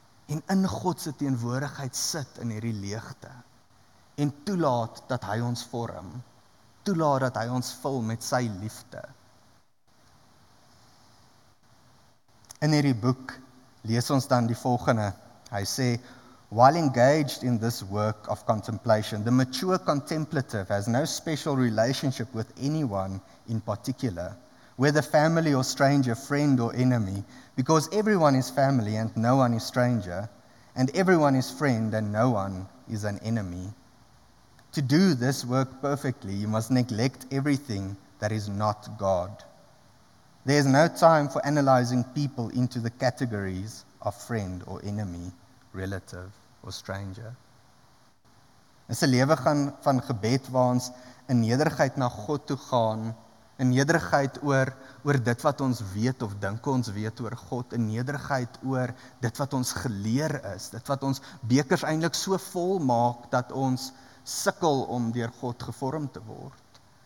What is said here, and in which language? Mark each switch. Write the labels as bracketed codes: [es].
[af] en in God se teenwoordigheid sit in hierdie leegte en toelaat dat hy ons vorm, toelaat dat hy ons vul met sy liefde. In hierdie boek lees ons dan die volgende. Hy sê, [en] while engaged in this work of contemplation, the mature contemplative has no special relationship with anyone in particular, whether family or stranger, friend or enemy, because everyone is family and no one is stranger, and everyone is friend and no one is an enemy. To do this work perfectly, you must neglect everything that is not God. There is no time for analyzing people into the categories of friend or enemy, relative or stranger. [af] Dis 'n lewe gaan van gebed waar ons in nederigheid na God toe gaan, in nederigheid oor dit wat ons weet of dink ons weet oor God, in nederigheid oor dit wat ons geleer is, dit wat ons bekers eintlik so vol maak dat ons sukkel om deur God gevorm te word.